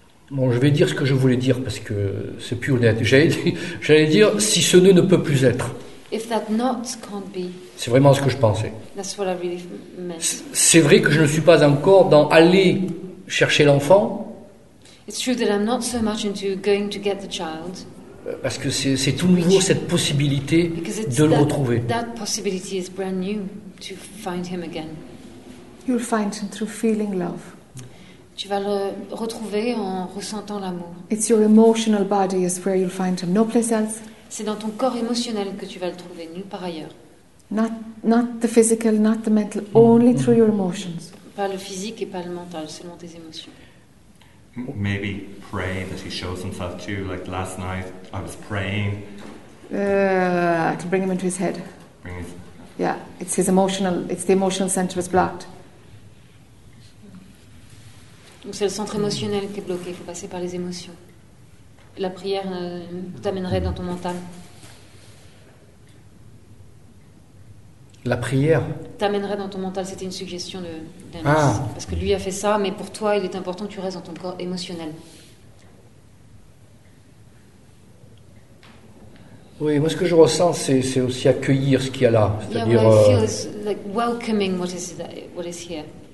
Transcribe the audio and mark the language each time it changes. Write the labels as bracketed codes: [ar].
[fr] Bon, je vais dire ce que je voulais dire parce que c'est plus honnête. J'allais dire si ce nœud ne peut plus être. [en] If that knot can't be, [fr] c'est vraiment ce que je pensais. [en] That's what I really meant. [fr] C'est vrai que je ne suis pas encore dans aller chercher l'enfant. [en] It's true that I'm not so much into going to get the child. [fr] Parce que c'est tout nouveau, cette possibilité de le retrouver. [en] That possibility is brand new to find him again. You'll find him through feeling love. [fr] Tu vas le retrouver en ressentant l'amour. [en] It's your emotional body is where you'll find him, no place else. [fr] C'est dans ton corps émotionnel que tu vas le trouver, nulle part ailleurs. [en] Not the physical, not the mental, only through your emotions. [fr] Pas le physique et pas le mental, seulement tes émotions. [en] Maybe pray that he shows himself to you. Like last night, I was praying. To bring him into his head. Yeah, it's his emotional, it's the emotional center is blocked. [fr] Donc c'est le centre émotionnel qui est bloqué, il faut passer par les émotions. La prière t'amènerait dans ton mental. La prière t'amènerait dans ton mental, c'était une suggestion de d'un parce que lui a fait ça, mais pour toi, il est important que tu restes dans ton corps émotionnel. Oui, moi ce que je ressens, c'est aussi accueillir ce qu'il y a là. C'est-à-dire, [en] yeah, what I feel is like welcoming what is here.